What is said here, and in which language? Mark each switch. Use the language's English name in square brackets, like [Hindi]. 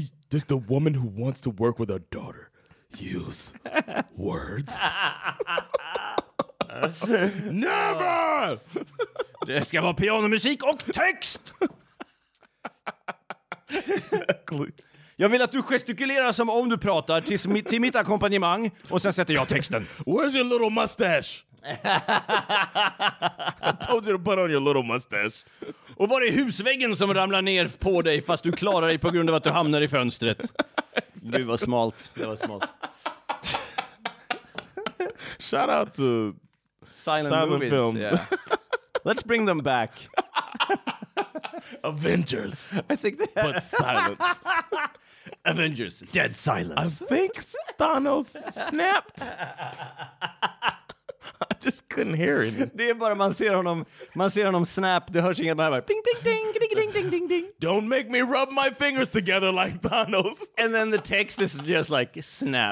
[English] Did the woman who wants to work with her daughter use words? Never! [Swedish] Det ska vara pianomusik och text! Exactly. Jag vill att du gestikulerar som om du pratar till mitt ackompanjemang och sen sätter jag texten. [English] Where's your little mustache? I told you to put on your little mustache. [Swedish] Och var är husväggen som ramlar ner på dig fast du klarar dig på grund av att du hamnar i fönstret? Gud vad smalt. Det var smalt. [English] Shout out to silent movies. Films. Yeah. Let's bring them back. Avengers. I think they but silence. Avengers, dead silence. I think Thanos snapped. I just couldn't hear it. [Swedish] Det är bara man ser honom snap, det hörs inget bara ping ping ding ding ding ding ding. [English] Don't make me rub my fingers together like Thanos. And then the text is just like snap.